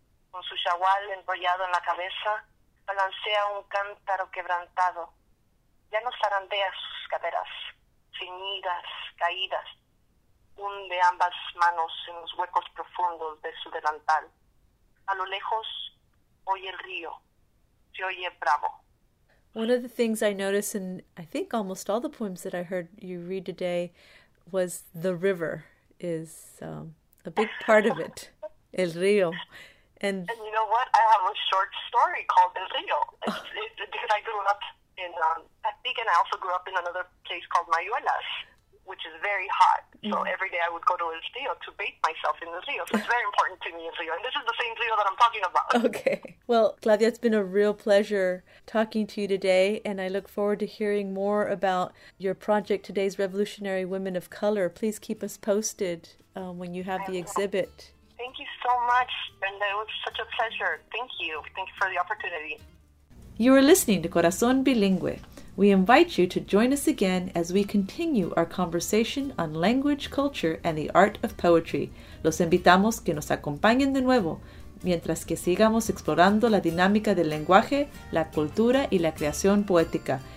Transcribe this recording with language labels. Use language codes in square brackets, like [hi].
[es] Con su chagual enrollado en la cabeza, balancea un cántaro quebrantado. Ya no zarandea sus caderas, ceñidas, caídas. Hunde ambas manos en los huecos profundos de su delantal. A lo lejos, oye el río. Se oye bravo. [en] One of the things I noticed in, I think, almost all the poems that I heard you read today was the river is a big part of it. [es] El río. [en] And you know what? I have a short story called El Río. Because I grew up in, I think, and I also grew up in another place called Mayuelas, which is very hot. So every day I would go to El Rio to bathe myself in the Rio. So it's very important to me, El Rio. And this is the same Rio that I'm talking about. Okay. Well, Claudia, it's been a real pleasure talking to you today. And I look forward to hearing more about your project, Today's Revolutionary Women of Color. Please keep us posted when you have the exhibit. Thank you so much, Brenda. It was such a pleasure. Thank you. Thank you for the opportunity. You are listening to Corazón Bilingüe. We invite you to join us again as we continue our conversation on language, culture, and the art of poetry. [es] Los invitamos que nos acompañen de nuevo, mientras que sigamos explorando la dinámica del lenguaje, la cultura y la creación poética.